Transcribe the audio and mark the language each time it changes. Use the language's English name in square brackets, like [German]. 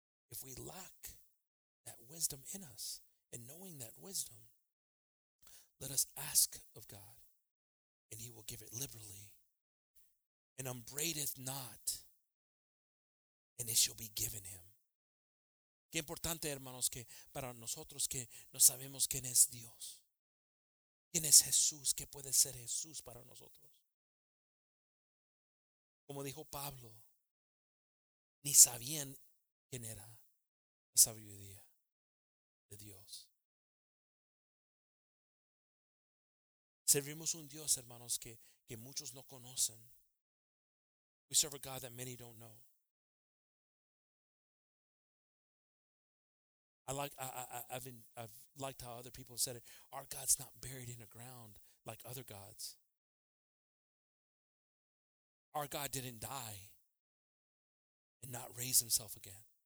[English] If we lack that wisdom in us and knowing that wisdom, let us ask of God and he will give it liberally and unbraideth not, and it shall be given him. [Spanish] Qué importante, hermanos, que para nosotros que no sabemos quién es Dios, quién es Jesús, qué puede ser Jesús para nosotros. Como dijo Pablo, ni sabían quién era. Sabiduría de Dios. Servimos un Dios, hermanos, que muchos no conocen. [English] We serve a God that many don't know. I've liked how other people have said it. Our God's not buried in the ground like other gods. Our God didn't die and not raise himself again.